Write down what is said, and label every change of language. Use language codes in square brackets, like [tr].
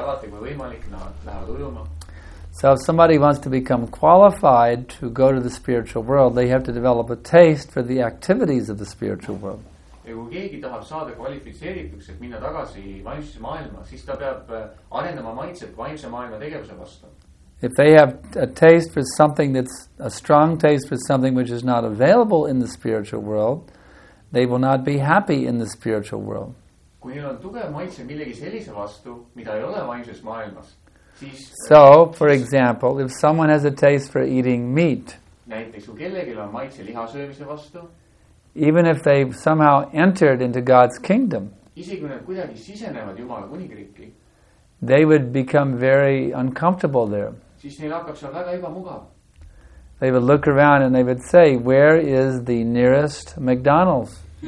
[en] So if somebody wants to become qualified to go to the spiritual world, they have to develop a taste for the activities of the spiritual world. [et] Ja kui keegi tahab saada kvalifitseerituks, et minna tagasi vaimse maailma, siis ta peab arendama maitset vaimse maailma tegevuse vastu. [en] If they have a taste for something that's a strong taste for something which is not available in the spiritual world, they will not be happy in the spiritual world. [et] Kui neil on tugev maitse millegi sellise vastu, mida ei ole vaimses maailmas, siis... [en] So, for example, if someone has a taste for eating meat, [et] näiteks kui kellegil on maitse liha söömise vastu, [en] even if they've somehow entered into God's kingdom, they would become very uncomfortable there. They would look around and they would say, where is the nearest McDonald's?